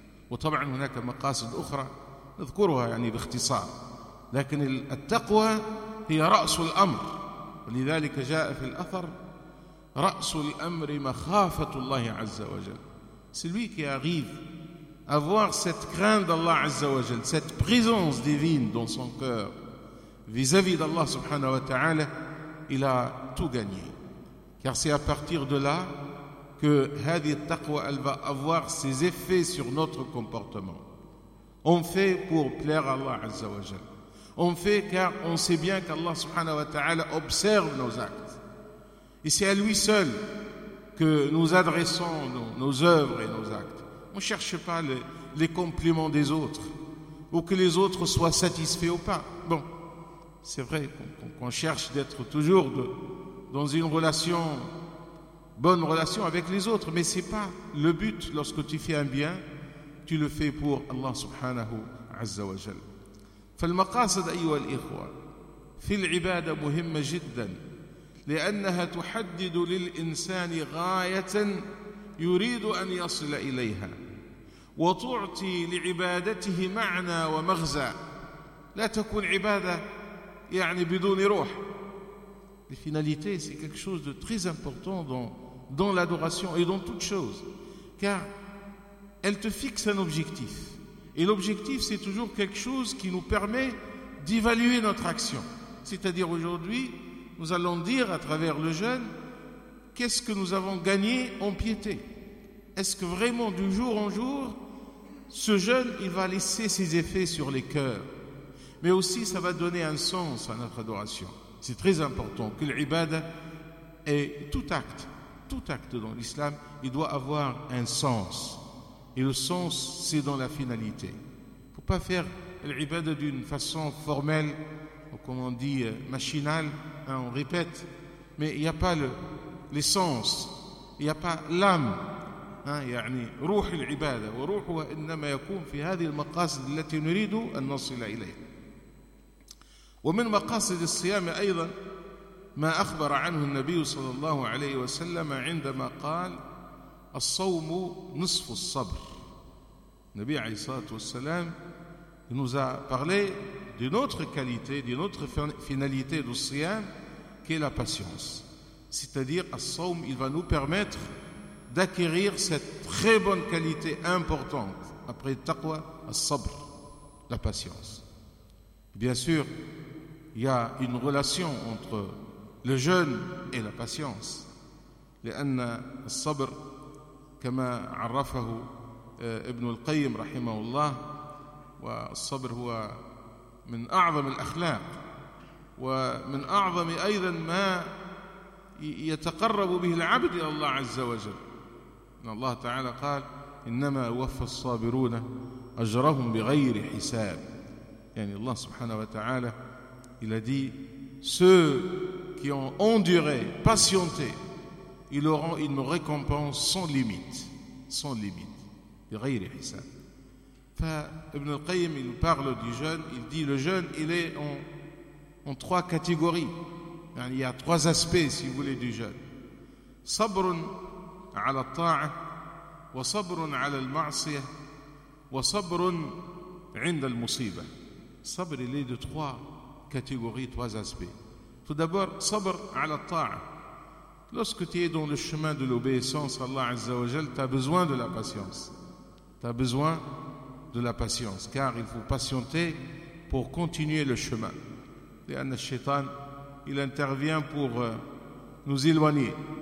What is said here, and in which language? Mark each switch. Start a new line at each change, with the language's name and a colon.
Arabic: وطبعا هناك مقاصد أخرى نذكرها يعني باختصار، لكن التقوى هي رأس الأمر، ولذلك جاء في الأثر رأس الأمر مخافة الله عز وجل.
French: celui qui arrive à avoir cette crainte d'Allah Azza wa Jal, cette présence divine dans son cœur vis-à-vis d'Allah subhanahu wa ta'ala, il a tout gagné. Car c'est à partir de là que hadith taqwa, elle va avoir ses effets sur notre comportement. On fait pour plaire à Allah Azza wa Jal. On fait car on sait bien qu'Allah subhanahu wa ta'ala observe nos actes. Et c'est à lui seul que nous adressons nos œuvres et nos actes. On ne cherche pas les compliments des autres ou que les autres soient satisfaits ou pas. Bon, c'est vrai qu'on cherche d'être toujours dans une relation, bonne relation avec les autres, mais ce n'est pas le but. Lorsque tu fais un bien, tu le fais pour Allah subhanahu azza wa jal.
Arabic: فالمقاصد أيها الإخوة في العبادة مهمة جدا لأنها تحدد للإنسان غاية يريد أن يصل إليها وتعطي لعبادته معنى ومغزى لا تكون عبادة يعني بدون روح.
French: La finalité c'est quelque chose de très important dans l'adoration et dans toute chose car elle te fixe un objectif. Et l'objectif, c'est toujours quelque chose qui nous permet d'évaluer notre action. C'est-à-dire aujourd'hui, nous allons dire à travers le jeûne, qu'est-ce que nous avons gagné en piété? Est-ce que vraiment, du jour en jour, ce jeûne, il va laisser ses effets sur les cœurs? Mais aussi, ça va donner un sens à notre adoration. C'est très important que l'ibada ait tout acte dans l'islam, il doit avoir un sens. Et le sens, c'est dans la finalité. Pour ne pas faire l'ibad d'une façon formelle, ou comme on dit, machinale, hein, on répète, mais il n'y a pas l'essence, il n'y a pas l'âme.
Arabic: يعني روح العبادة وروحها إنما يكون في هذه المقاصد التي نريد أن نصل إليها. ومن مقاصد الصيام أيضا ما أخبر عنه النبي صلى الله عليه وسلم عندما قال الصوم نصف الصبر. النبي عليه الصلاة والسلام
French: nous a parlé d'une autre qualité, d'une autre finalité du siyam, qui est la patience. C'est-à-dire, الصوم, il va nous permettre d'acquérir cette très bonne qualité importante après le taqwa, الصبر, la patience. Bien sûr, il y a une relation entre le jeûne et la patience.
Arabic: لأن الصبر كما عرفه ابن القيم رحمه الله والصبر هو من أعظم الأخلاق ومن أعظم أيضا ما يتقرب به العبد إلى الله عز وجل. إن الله تعالى قال إنما وفى الصابرون أجرهم بغير حساب. يعني الله سبحانه وتعالى
French: il a dit ceux qui ont enduré, patienté, ils auront une récompense sans limite. Sans limite.
Arabic: بغير حساب.
French: فابن القيم, il parle du jeûne, il dit le jeûne, il est en trois catégories. Il y a trois aspects, si vous voulez, du jeûne.
Arabic: صبر على الطاعة, وصبر على المعصية, وصبر عند المصيبة.
French: صبر, il est de trois catégories, trois aspects. Tout d'abord,
Arabic: صبر على الطاعة.
French: Lorsque tu es dans le chemin de l'obéissance à Allah Azza wa Jal, tu as besoin de la patience. Tu as besoin de la patience, car il faut patienter pour continuer le chemin. Et le shaitan, il intervient pour nous éloigner.